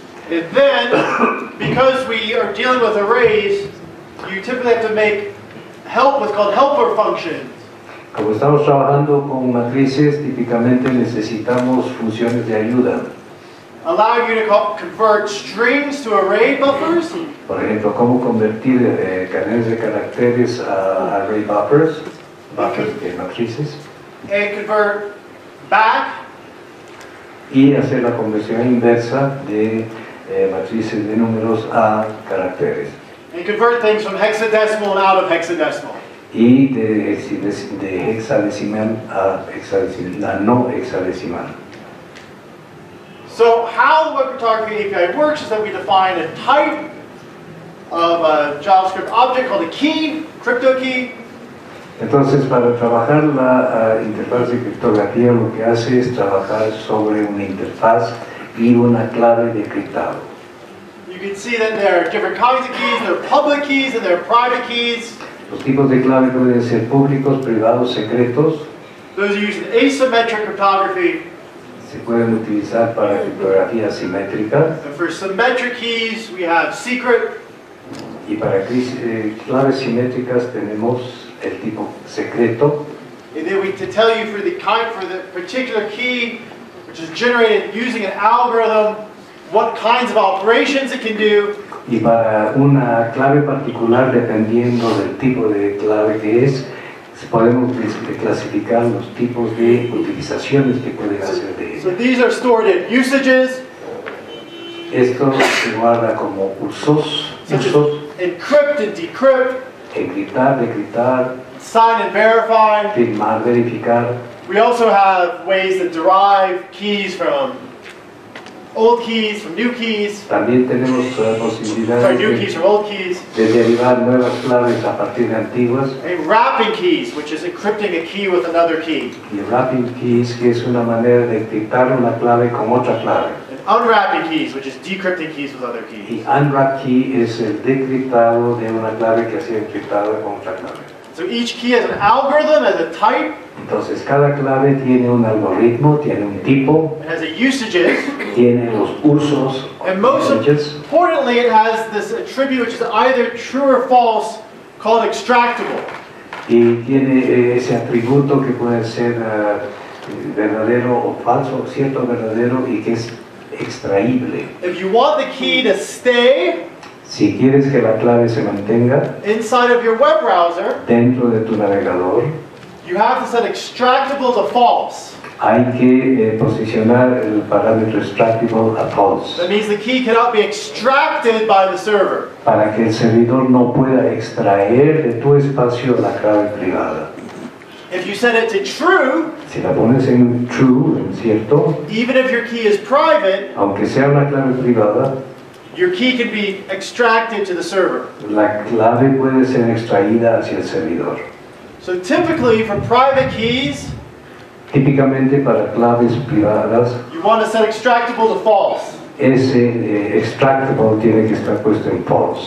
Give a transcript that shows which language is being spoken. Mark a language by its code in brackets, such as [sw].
[en] And then, because we are dealing with arrays, you typically have to make help what's called helper functions. [es] Como estamos trabajando con matrices, típicamente necesitamos funciones de ayuda. [en] Allow you to convert strings to array buffers. [es] Por ejemplo, ¿cómo convertir cadenas de caracteres a array buffers? Buffers de matrices. [en] And convert back. [es] Y hacer la conversión inversa de matrices de números a caracteres. [en] And convert things from hexadecimal and out of hexadecimal. [es] Y de hexadecimal a hexadecimal, a no hexadecimal. [en] So how the web cryptography API works is that we define a type of a JavaScript object called a key, crypto key. [es] Entonces, para trabajar la interfaz de criptografía, lo que hace es trabajar sobre una interfaz y una clave de criptado. [en] You can see that there are different kinds of keys. There are public keys and there are private keys. [es] Los tipos de clave pueden ser públicos, privados, secretos. [en] Those are used in asymmetric cryptography. [es] Se pueden utilizar para criptografía asimétrica. [en] And for symmetric keys, we have secret. [es] Y para claves simétricas tenemos el tipo secreto. [en] And then we to tell you for the kind for the particular key, which is generated using an algorithm, what kinds of operations it can do. [es] Y para una clave particular, dependiendo del tipo de clave que es, podemos clasificar los tipos de utilizaciones que pueden hacer de ella. [en] So these are stored in usages. [es] Esto se guarda como usos. Usos. [en] Encrypt and decrypt. [es] Encriptar, decriptar. [en] Sign and verify. [es] Firmar, verificar. [en] We also have ways to derive keys from old keys, from new keys. [es] También tenemos posibilidades [en] from new keys, from old keys. [es] De derivar nuevas claves a partir de antiguas. [en] And wrapping keys, which is encrypting a key with another key. [es] Y wrapping keys, que es una manera de encriptar una clave con otra clave. [en] Unwrapping keys, which is decrypting keys with other keys. [es] Y unwrap key es el decriptado de una clave que ha sido encriptada con otra clave. [en] So each key has an algorithm as a type. [es] Entonces cada clave tiene un algoritmo, tiene un tipo. [en] It has a usages. [es] Tiene los usos. [en] And most importantly, it has this attribute which is either true or false, called extractable. [es] Y tiene ese atributo que puede ser verdadero o falso, cierto o verdadero, y que es extraíble. [en] If you want the key to stay, [es] si quieres que la clave se mantenga [en] inside of your web browser, [es] dentro de tu navegador, [en] you have to set extractable to false. [es] Hay que posicionar el parámetro extractable a false. [en] That means the key cannot be extracted by the server. [es] Para que el servidor no pueda extraer de tu espacio la clave privada. [en] If you set it to true, [es] si la pones en true, en cierto, [en] even if your key is private, [es] aunque sea una clave privada, [en] your key can be extracted to the server. [es] La clave puede ser extraída hacia el servidor. [en] So typically for private keys, [es] típicamente para claves privadas, [en] you want to set extractable to false. [es] Ese extractable tiene que estar puesto en false.